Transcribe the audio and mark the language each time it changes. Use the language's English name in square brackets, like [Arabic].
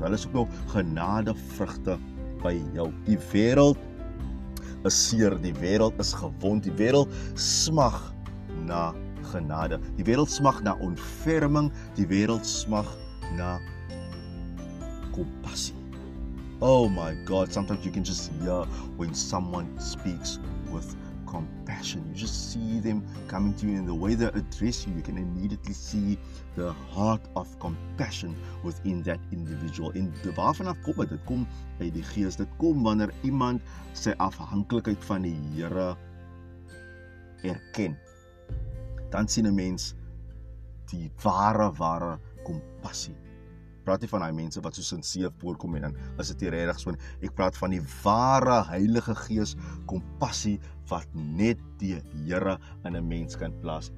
[Afrikaans] Hulle soek nou genade vrugte by jou. Die wêreld is seer, die wêreld is gewond, die wêreld smag na genade. Die wêreld smag na ontferming, die wêreld smag na compassie. [English] Oh my God, sometimes you can just hear when someone speaks with compassion. You just see them coming to you, and the way they address you, you can immediately see the heart of compassion within that individual. [Afrikaans] En waar vanaf kom dit? Dit kom uit die Gees. Dit kom wanneer iemand sy afhanklikheid van die Here erken. Dan sien 'n mens die ware compassie. Praat jy van die mense wat so sincere voorkom en dan is dit regtig so. Ek praat van die ware Heilige Gees compassie wat net die Here in 'n mens kan plaas.